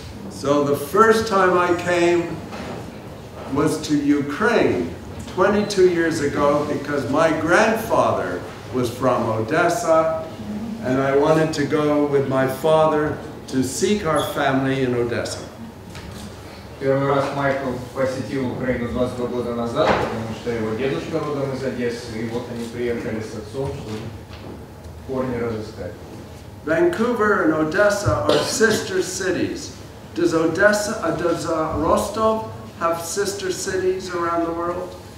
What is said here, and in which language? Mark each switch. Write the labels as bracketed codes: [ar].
[en] So the first time I came was to Ukraine 22 years ago because my grandfather was from Odessa and I wanted to go with my father to seek our family in Odessa. [ru] Первый раз Майкл посетил Украину 22 года назад, потому что его дедушка родом из Одессы, и вот они приехали с отцом, чтобы корни разыскать. [en] Vancouver and Odessa are sister cities. Does Ростов have sister cities around the world?